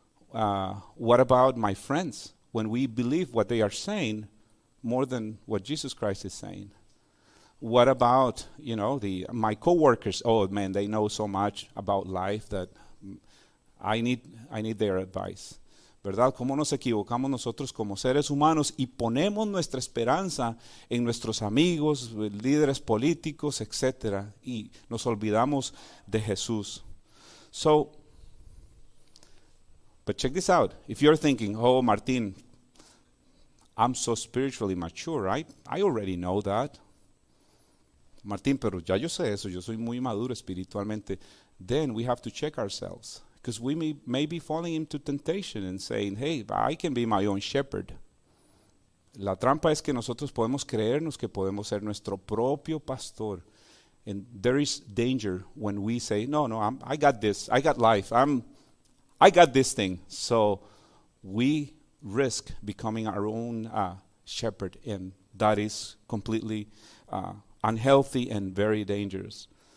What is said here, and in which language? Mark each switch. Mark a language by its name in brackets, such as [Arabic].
[English] What about my friends? When we believe what they are saying more than what Jesus Christ is saying? What about, you know, my coworkers? Oh, man, they know so much about life that I need their advice. [Spanish] ¿Verdad? ¿Cómo nos equivocamos nosotros como seres humanos y ponemos nuestra esperanza en nuestros amigos, líderes políticos, etcétera, y nos olvidamos de Jesús? [English] So, but check this out. If you're thinking, oh, Martín, I'm so spiritually mature, right? I already know that. [Spanish] Martín, pero ya yo sé eso, yo soy muy maduro espiritualmente. [English] Then we have to check ourselves, because we may be falling into temptation and saying, hey, I can be my own shepherd. [Spanish] La trampa es que nosotros podemos creernos que podemos ser nuestro propio pastor. [English] And there is danger when we say, no, I got this, I got life, I got this thing. So we risk becoming our own shepherd, and that is completely unhealthy and very dangerous.